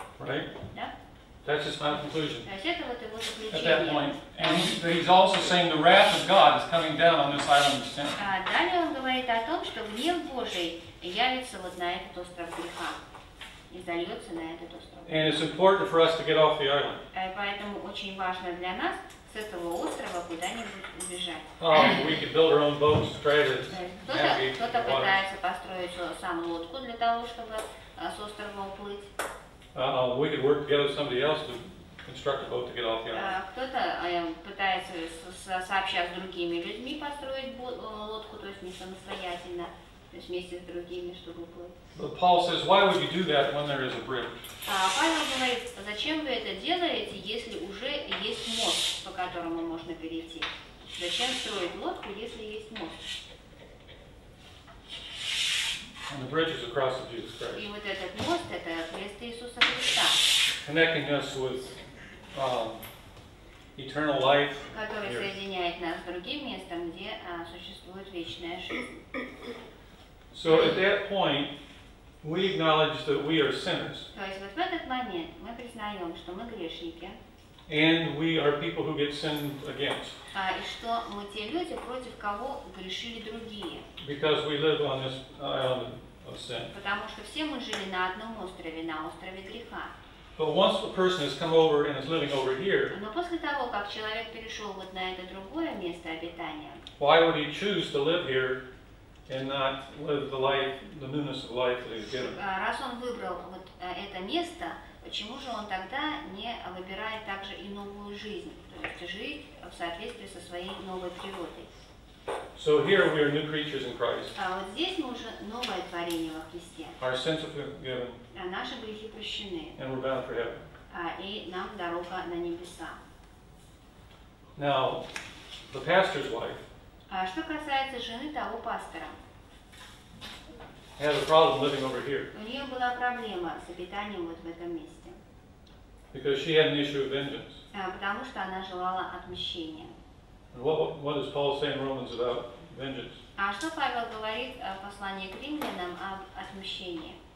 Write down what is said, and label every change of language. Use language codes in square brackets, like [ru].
[en] Right? [ru] Да? [en] That's his final conclusion. [ru] Вот [en] at that point. And he's also saying the wrath of God is coming down on this island of sin. [ru] Далее он говорит о том, что гнев Божий явится вот на этот остров греха. И зальется на этот остров. [en] And it's important for us to get off the island. [ru] Поэтому очень важно для нас с этого острова куда-нибудь убежать. [en] We could build our own boats to try to navigate the water. [ru] Кто-то пытается построить сам лодку для того, чтобы с острова уплыть. [en] We could work together with somebody else to construct a boat to get off the island. [ru] Кто-то пытается сообща с другими людьми построить лодку, то есть не самостоятельно, то есть вместе с другими, чтобы плыть. [en] But Paul says, why would you do that when there is a bridge? [ru] Павел говорит, зачем вы это делаете, если уже есть мост, по которому можно перейти? Зачем строить лодку, если есть мост? [en] And the bridge is the cross of Jesus Christ. [ru] И вот этот мост — это крест Иисуса Христа. [en] Connecting us with eternal life. [ru] Который соединяет нас с другим местом, где существует вечная жизнь. [en] So at that point, we acknowledge that we are sinners. [ru] То есть вот в этот момент мы признаем, что мы грешники. [en] And we are people who get sinned against. [ru] А и что мы те люди, против кого грешили другие? [en] Because we live on this island of sin. [ru] Потому что все мы жили на одном острове, на острове греха. [en] But once a person has come over and is living over here. [ru] Но после того, как человек перешел вот на это другое место обитания. [en] Why would he choose to live here and not live the life, the newness of life that he's given? [ru] Раз он выбрал вот это место. Почему же он тогда не выбирает также и новую жизнь, то есть жить в соответствии со своей новой природой? [en] So here we are new creatures in Christ. [ru] А вот здесь мы уже новое творение во Христе. [en] Our sins are forgiven. [ru] А наши грехи прощены. [en] And we're bound for heaven. [ru] А и нам дорога на небеса. [en] Now, the pastor's wife. [ru] А что касается жены того пастора? [en] Had a problem living over here. [ru] У нее была проблема с обитанием вот в этом месте. [en] Because she had an issue of vengeance. [ru] Потому что она желала отмщения. [en] And what does Paul say in Romans about vengeance? [ru] А что Павел говорит в послании к римлянам об отмщении?